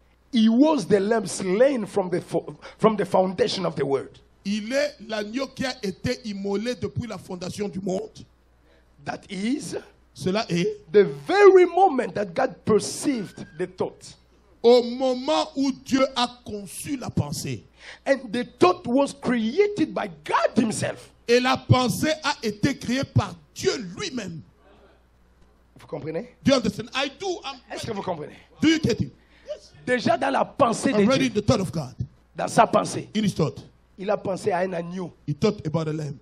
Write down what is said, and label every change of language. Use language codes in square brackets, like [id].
[en] He was the lamb slain from the foundation of the world. [fr] Il est l'agneau qui a été immolé depuis la fondation du monde. [en] That is, [fr] cela est, [en] the very moment that God perceived the thought. [fr] Au moment où Dieu a conçu la pensée. [en] And the thought was created by God himself. [fr] Et la pensée a été créée par Dieu lui-même. Vous comprenez? [en] Do you understand? I do. I'm... [fr] Est-ce que vous comprenez? [en] Do you get it? [fr] Yes. Déjà dans la pensée de Dieu. [en] The thought of God. [fr] Dans sa pensée. [en] In his thought. [fr] Il a pensé à un agneau. [en] He thought about a lamb.